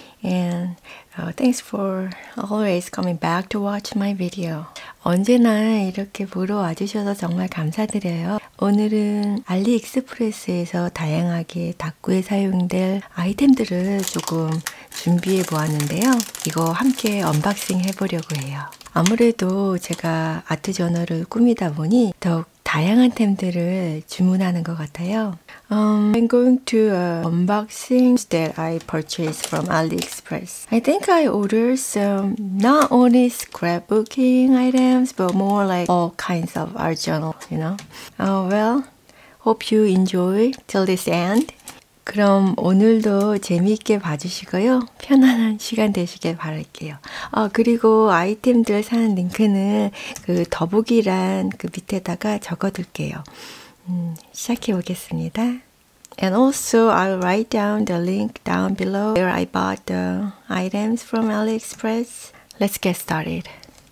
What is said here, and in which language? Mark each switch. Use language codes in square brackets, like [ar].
[en] And thanks for always coming back to watch my video. [ko] 언제나 이렇게 보러 와주셔서 정말 감사드려요. 오늘은 알리익스프레스에서 다양하게 다꾸에 사용될 아이템들을 조금 준비해 보았는데요. 이거 함께 언박싱 해보려고 해요. 아무래도 제가 아트 저널을 꾸미다 보니 더욱 다양한 템들을 주문하는 것 같아요. [en] I'm going to unboxing that I purchased from AliExpress. I think I ordered some not only scrapbooking items, but more like all kinds of art journal, you know? Well, hope you enjoy till this end. [ko] 그럼 오늘도 재미있게 봐주시고요. 편안한 시간 되시길 바랄게요. 그리고 아이템들 사는 링크는 그 더보기란 그 밑에다가 적어둘게요. 시작해 보겠습니다. [en] And also I'll write down the link down below where I bought the items from AliExpress. Let's get started.